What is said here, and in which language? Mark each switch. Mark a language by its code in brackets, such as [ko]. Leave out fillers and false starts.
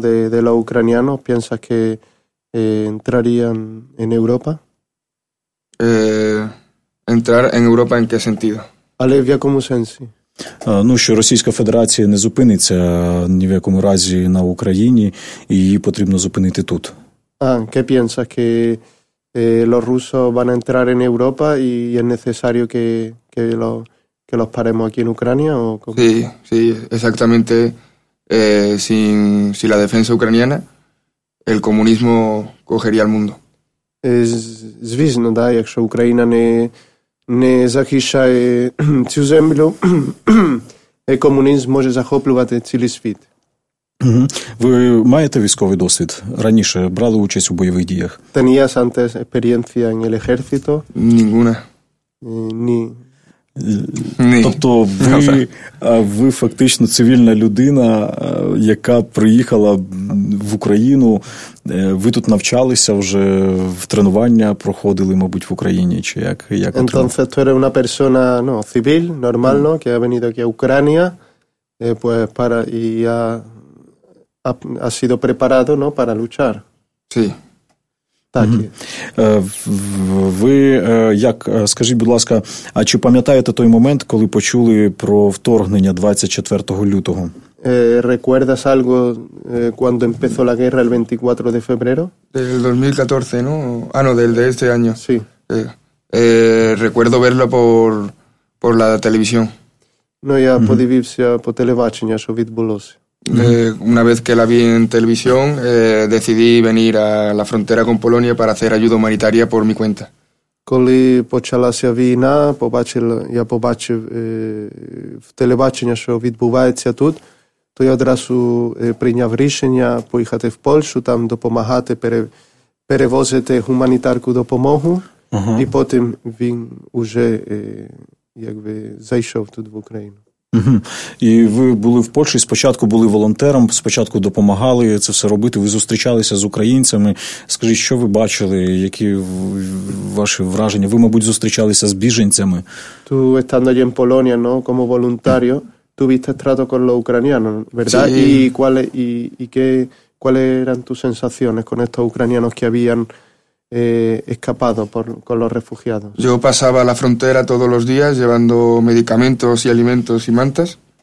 [es] de los ucranianos, [uk] пенса, що [es] entrarían en Europa? Entrar en Europa en qué sentido? [uk] Але в якому сенсі? Ну, що Російська Федерація не зупиниться ні в якому разі на Україні, і її потрібно зупинити тут. А, [es] ¿qué piensas que los rusos van a entrar en Europa y es necesario que los paremos aquí en Ucrania o cómo? Sí, sí, exactamente. Sin la defensa ucraniana, el comunismo cogería el mundo. [uk] Звісно, да, якщо Україна не захищає цю землю, і комунізм може захоплювати цілий світ. Ви маєте військовий досвід? Раніше брали участь у бойових діях? [es] Tenías antes experiencia en el ejército? Ninguna. [uk] Ni. Тобто ви фактично цивільна людина, яка приїхала в Україну. Ви тут навчалися вже, в тренування проходили, мабуть, в Україні, чи як? [es] Entonces, tú eres una persona, no, civil, normal, no, que ha venido aquí a Ucrania, pues para y ha sido preparado, no, para luchar. Sí. [uk] Так. Угу. Ви як, скажіть, будь ласка, а чи пам'ятаєте той момент, коли почули про вторгнення 24 лютого? [es] ¿Recuerdas algo cuando empezó la guerra el 24 de febrero? Del 2014, ¿no? Ah, no, del de este año. Sí. Recuerdo verlo por la televisión. No, ya [uk] подивився по телебаченню, що відбулося. [es] Una vez que la vi en televisión, decidí venir a la frontera con Polonia para hacer ayuda humanitaria por mi cuenta. [uk] Коли почалася війна, я побачив в телебаченні, що відбувається тут, то я одразу прийняв рішення поїхати в Польщу, там допомагати, перевозити гуманітарку допомогу, і потім він вже якби зайшов тут в Україну. Угу. І ви були в Польщі, спочатку були волонтером, спочатку допомагали це все робити, ви зустрічалися з українцями. Скажіть, що ви бачили, які ваші враження? Ви, мабуть, зустрічалися з біженцями? [es] Ту, estando allí en Polonia, ¿no? Como voluntario, tuviste trato con los ucranianos, ¿verdad? Sí. ¿Y cuáles eran tus sensaciones con estos ucranianos que habían escapado con los refugiados? Yo pasaba la frontera todos los días llevando medicamentos y alimentos y mantas.